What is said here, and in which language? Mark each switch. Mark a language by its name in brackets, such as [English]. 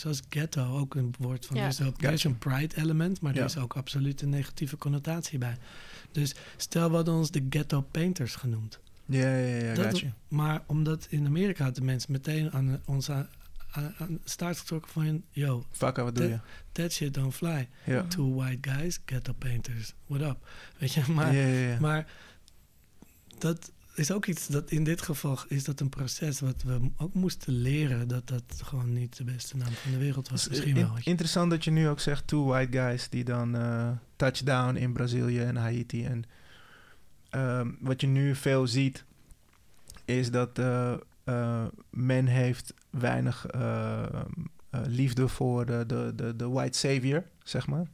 [Dutch] Zoals ghetto, ook een woord van... Ja. Dus ook, er is een pride element, maar er is ook absoluut een negatieve connotatie bij. Dus stel, we hadden ons de ghetto painters genoemd. [English] Ja, gotcha. [Dutch] Maar omdat in Amerika de mensen meteen aan ons aan staart getrokken van... [English] Yo, [Dutch] Vaka, wat doe je? [English] That shit don't fly. Yeah. Two white guys, ghetto painters, what up? [Dutch] Weet je, maar... Maar dat is ook iets dat in dit geval is dat een proces wat we ook moesten leren... dat dat gewoon niet de beste naam van de wereld was. Misschien wel. Interessant dat je nu ook zegt [English] two white guys [Dutch] die dan... touchdown in Brazilië en Haiti. En wat je nu veel ziet, is dat men heeft weinig liefde voor de white savior, zeg maar.